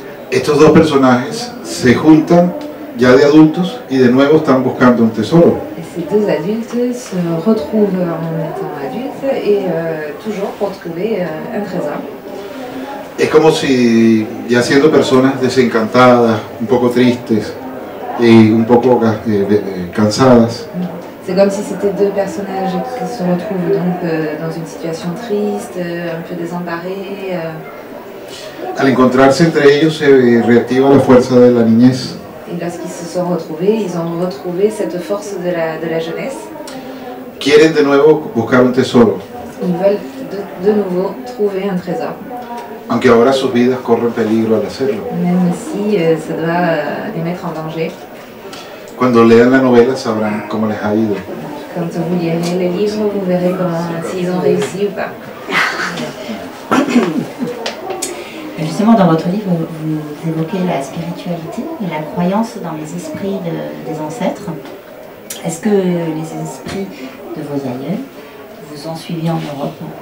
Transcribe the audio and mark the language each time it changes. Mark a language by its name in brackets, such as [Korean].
[Spanish] Estos dos personajes se juntan ya de adultos y de nuevo están buscando un tesoro. [French] Ces deux adultes se retrouvent en étant adultes et toujours pour trouver un trésor. [Spanish] Es como si, ya siendo personas desencantadas, un poco tristes y un poco cansadas. [French] C'est comme si c'était deux personnages qui se retrouvent donc dans une situation triste, un peu désemparés. [Spanish] Al encontrarse entre ellos se reactiva la fuerza de la niñez. [French] Et lorsqu'ils se sont retrouvés, ils ont retrouvé cette force de la jeunesse. [Spanish] Quieren de nuevo buscar un tesoro. [French] Ils veulent de nouveau trouver un trésor. [Spanish] Aunque ahora sus vidas corren peligro al hacerlo. [French] Même si ça doit les mettre en danger. [Spanish] Cuando lean la novela, sabrán cómo les ha ido. [French] Quand vous lirez le livre, vous verrez s'ils ont réussi ou pas. Justement, dans votre livre, vous évoquez la spiritualité et la croyance dans les esprits des ancêtres. Est-ce que les esprits de vos aïeux vous ont suivi en Europe?